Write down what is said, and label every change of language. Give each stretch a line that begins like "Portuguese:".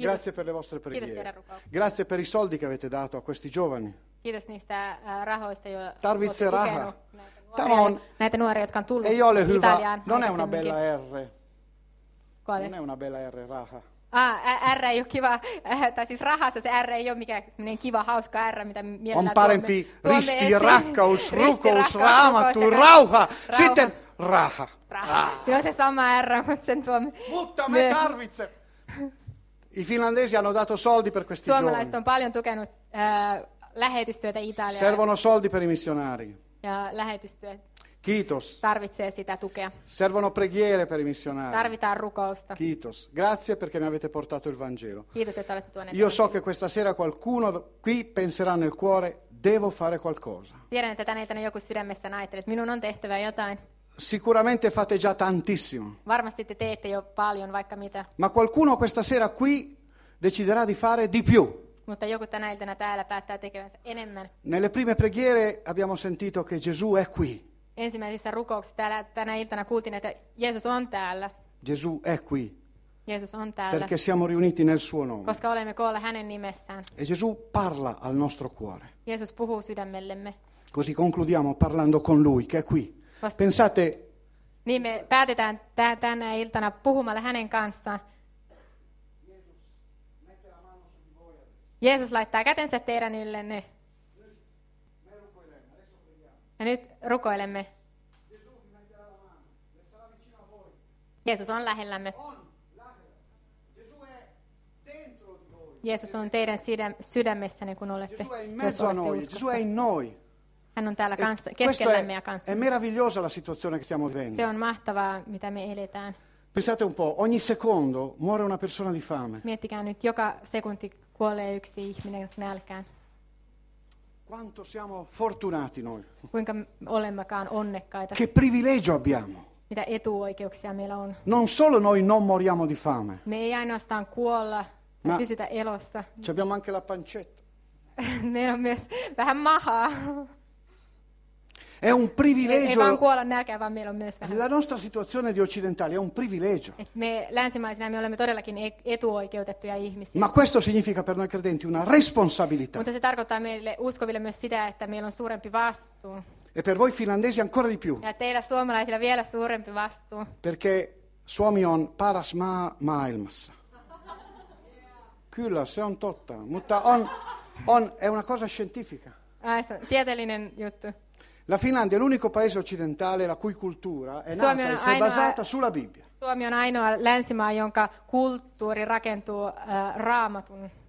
Italian: Grazie per le vostre preghiere. Grazie per i soldi che avete dato a questi giovani.
Finnish: Kiitos niistä rahoista, joilla tarvitsee rahaa. Näitä nuoria, jotka on tullut Italiaan. Ei ole hyvä.
Italian: Non è una bella R. Quale? Non è una bella R, raha.
Finnish: Ah, R ei ole kiva, tai siis rahassa se R ei ole mikään kiva, hauska R, mitä mielellään on parempi tuomme risti, rakkaus, rukous, raamattu, rauha. Sitten raha. Se on se sama R, mutta sen tuomme. Mutta me tarvitsee.
Italian: I finlandesi hanno dato soldi per questi giovani.
Finnish: Suomalaiset on paljon tukenut lähetystyötä Italiaan.
Italian: Servono soldi per i missionari.
Finnish: Ja lähetystyö. Kiitos. Tarvitsee sitä tukea.
Italian: Servono preghiere per i missionari.
Finnish: Tarvitaan rukousta. Kiitos.
Italian: Grazie perché mi avete portato il Vangelo.
Finnish: Kiitos, että olette tuoneet.
Italian: Io so che questa sera qualcuno qui penserà nel cuore, devo fare qualcosa.
Finnish: Tiedän, että tänä iltana joku sydämessä ajattelee, että minun on tehtävä jotain.
Italian: Sicuramente fate già tantissimo.
Finnish: Varmasti te teette jo paljon, vaikka mitä.
Italian: Ma qualcuno questa sera qui deciderà di fare di più.
Finnish: Mutta joku tänä iltana täällä päättää tekevänsä enemmän.
Italian: Nelle prime preghiere abbiamo sentito che Gesù è qui.
Finnish: Ensimmäisissä rukouksissa täällä tänä iltana kuultiin, että Jeesus on täällä.
Italian: Gesù è qui.
Finnish: Jeesus on täällä.
Italian: Perché siamo riuniti nel suo nome.
Finnish: Koska olemme koolla hänen nimessään.
Italian: E Gesù parla al nostro cuore.
Finnish: Jeesus puhuu sydämellemme.
Italian: Così concludiamo parlando con lui che è qui. Pensate.
Finnish: Niin me päätetään tänä iltana puhumalla hänen kanssaan. Jeesus laittaa kätensä teidän yllenne. Ja nyt rukoilemme. Jeesus on lähellämme. Jeesus on teidän sydämessänne, kun olette uskossa. Hän on täällä kanssa, keskellämme ja kanssa.
Italian: È meravigliosa la situazione che stiamo vivendo.
Finnish: Se on mahtavaa, mitä me eletään.
Italian: Pensate un po', ogni secondo muore una persona di fame.
Finnish: Miettikää nyt, joka sekunti kuolee yksi ihminen nälkään.
Italian: Quanto siamo fortunati noi.
Finnish: Kuinka olemmekaan onnekkaita.
Italian: Che privilegio abbiamo.
Finnish: Mitä etuoikeuksia meillä on.
Italian: Non solo noi non moriamo di fame.
Finnish: Me ei ainoastaan kuolla, ma pysytä elossa.
Italian: Ci abbiamo anche la pancetta.
Finnish: Meillä on myös vähän mahaa.
Italian: È un privilegio.
Finnish: Ei vaan kuolla nälkään, vaan meillä on myös vähän.
Italian: La nostra situazione di occidentali è un privilegio.
Finnish: Et me länsimaisina me olemme todellakin etuoikeutettuja ihmisiä.
Italian: Ma questo significa per noi credenti una responsabilità.
Finnish: Mutta se tarkoittaa meille uskoville myös sitä, että meillä on suurempi vastuu.
Italian: E per voi finlandesi ancora di più.
Finnish: Ja teillä suomalaisilla vielä suurempi vastuu. Perché Suomi on paras maa maailmassa. Kyllä, se on totta, mutta on è una cosa scientifica. Ah, se on tieteellinen juttu.
Italian: La Finlandia è l'unico paese occidentale la cui cultura è
Finnish: Suomi
Italian: nata e si è basata sulla Bibbia.
Finnish: Suomi on ainoa länsimaa, jonka kulttuuri rakentuu Raamatun